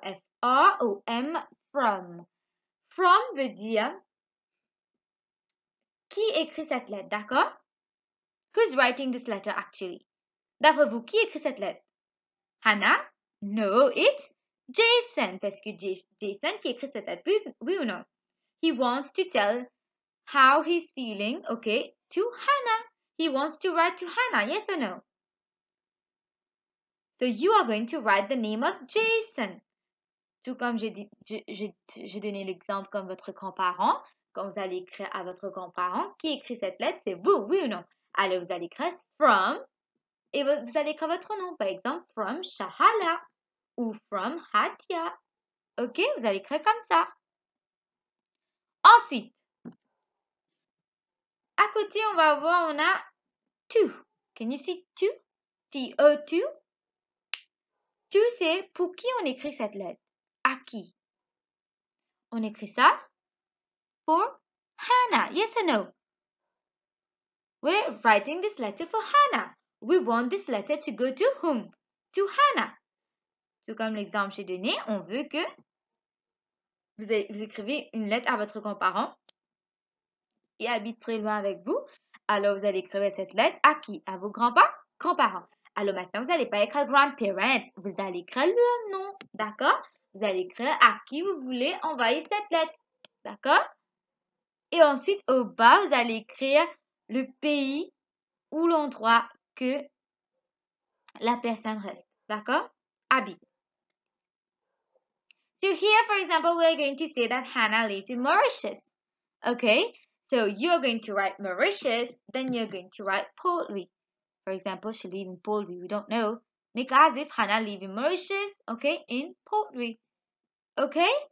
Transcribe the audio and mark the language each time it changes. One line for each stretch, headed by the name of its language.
French: F-R-O-M, from. From veut dire qui écrit cette lettre, d'accord?
English: Who's writing this letter actually?
French: D'après vous, qui écrit cette lettre? Hannah?
English: No, it's Jason.
French: Parce que Jason qui écrit cette lettre, oui ou non?
English: He wants to tell how he's feeling, okay, to Hannah. He wants to write to Hannah, yes or no? So you are going to write the name of Jason.
French: Tout comme j'ai donné l'exemple comme votre grand-parent, quand vous allez écrire à votre grand-parent, qui écrit cette lettre, c'est vous, oui ou non? Alors, vous allez écrire from, et vous allez écrire votre nom. Par exemple, from Shahala ou from Hatia. OK? Vous allez écrire comme ça. Ensuite, à côté, on va voir, on a to.
English: Can you see to?
French: T-O-2. To, c'est pour qui on écrit cette lettre? À qui? On écrit ça?
English: For Hannah. Yes or no? We're writing this letter for Hannah. We want this letter to go to whom? To Hannah.
French: Tout comme l'exemple j'ai donné, on veut que vous écrivez une lettre à votre grand-parent qui habite très loin avec vous. Alors, vous allez écrire cette lettre à qui? À vos grands-parents. Alors, maintenant, vous n'allez pas écrire grandparents. Vous allez écrire le nom, d'accord? Vous allez écrire à qui vous voulez envoyer cette lettre, d'accord? Et ensuite, au bas, vous allez écrire le pays ou l'endroit que la personne reste, d'accord? Habite.
English: So here, for example, we're going to say that Hannah lives in Mauritius. Okay? So you're going to write Mauritius, then you're going to write Port Louis. For example, she lives in Port Louis. We don't know. make as if Hannah live in Mauritius, okay, in Portree. Okay?